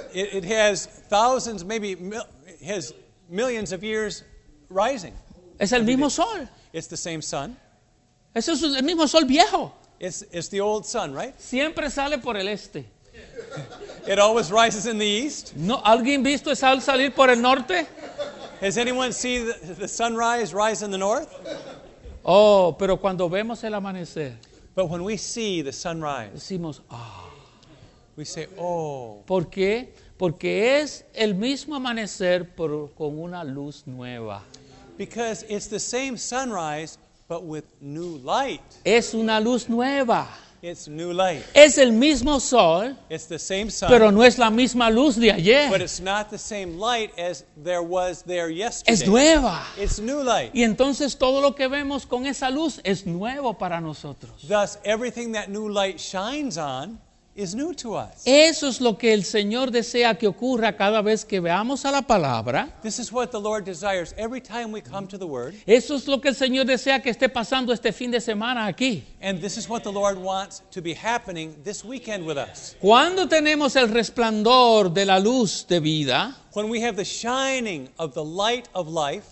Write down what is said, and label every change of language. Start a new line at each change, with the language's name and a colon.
English: It has thousands, maybe has millions of years rising.
Spanish: Es el mismo sol.
English: It's the same sun.
Spanish: Es el mismo sol viejo.
English: It's the old sun, right?
Spanish: Siempre sale por el este.
English: It always rises in the east.
Spanish: No, ¿alguien visto esa salir por el norte?
English: Has anyone seen the sunrise rise in the north?
Spanish: Oh, pero cuando vemos el amanecer.
English: But when we see the sunrise.
Spanish: Decimos, ah. Oh.
English: We say, oh.
Spanish: ¿Por qué? Porque es el mismo amanecer, pero con una luz nueva.
English: Because it's the same sunrise, but with new light.
Spanish: Es una luz nueva.
English: It's new light.
Spanish: Es el mismo sol.
English: It's the same sun.
Spanish: Pero no es la misma luz de ayer.
English: But it's not the same light as there was there yesterday.
Spanish: Es nueva.
English: It's new light.
Spanish: Y entonces todo lo que vemos con esa luz es nuevo para nosotros.
English: Thus, everything that new light shines on is new to us.
Spanish: Eso es lo que el Señor desea que ocurra cada vez que veamos a la palabra.
English: This is what the Lord desires every time we come to the Word.
Spanish: Eso es lo que el Señor desea que esté pasando este fin de semana aquí.
English: And this is what the Lord wants to be happening this weekend with us.
Spanish: Cuando tenemos el resplandor de la luz de vida,
English: when we have the shining of the light of life,